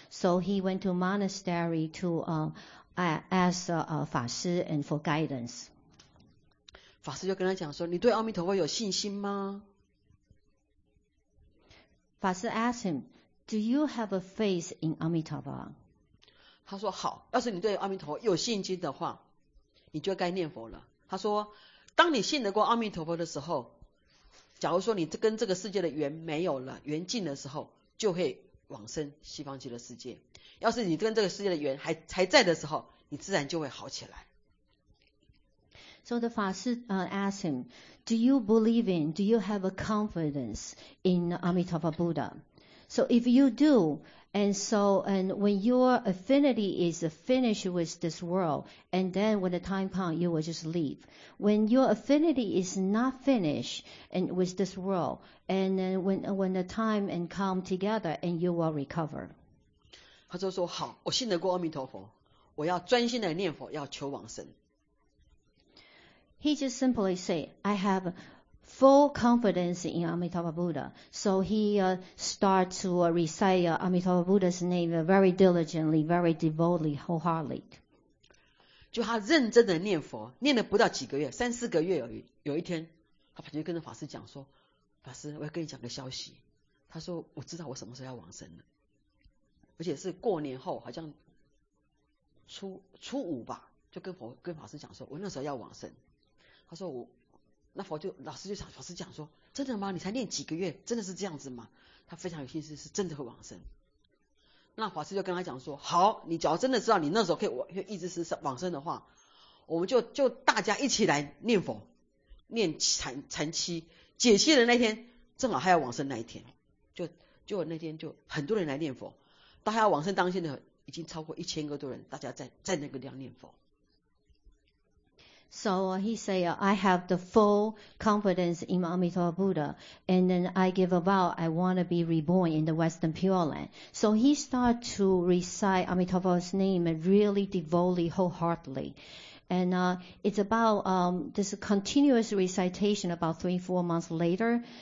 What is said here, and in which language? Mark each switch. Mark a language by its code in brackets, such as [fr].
[en] So he went to monastery to ask Fa Shi and for guidance. [zh] 法师就跟他讲说，你对阿弥陀佛有信心吗？ [en] 法师 asked him, Do you have a faith in 阿弥陀佛？ [zh] 他说好，要是你对阿弥陀佛有信心的话，你就该念佛了。他说当你信得过阿弥陀佛的时候，假如说你跟这个世界的缘没有了，缘尽的时候，就会往生西方极乐世界。要是你跟这个世界的缘还在的时候，你自然就会好起来。 [en] So the 法师 asked him, Do you believe in, do you have a confidence in Amitabha Buddha? So if you do, and when your affinity is finished with this world, and then when the time comes, you will just leave. When your affinity is not finished and with this world, and then when the time and come together, and you will recover. [zh] 他就说好，我信得过阿弥陀佛，我要专心的念佛，要求往生。 [en] He just simply said, I have full confidence in Amitabha Buddha. So he starts to recite Amitabha Buddha's name very diligently, very devoutly, wholeheartedly. [zh] 就他认真的念佛，念了不到几个月，三四个月而已。有一天，他跑去跟着法师讲说，法师，我要跟你讲个消息。他说，我知道我什么时候要往生了。而且是过年后，好像初五吧，就跟法师讲说，我那时候要往生。他说我，那佛就老师就想，法师讲说，真的吗？你才念几个月，真的是这样子吗？他非常有信心，是真的会往生。那法师就跟他讲说，好，你只要真的知道你那时候可以一直是往生的话，我们就大家一起来念佛，念禅期解气的那天，正好还要往生那一天，就那天就很多人来念佛，到还要往生当天的已经超过1000多人，大家在那个地方念佛。 [en] So he said, I have the full confidence in Amitabha Buddha, and then I give a vow I want to be reborn in the Western Pure Land. So he started to recite Amitabha's name really devoutly, wholeheartedly. And it's about this continuous recitation about 3-4 months later.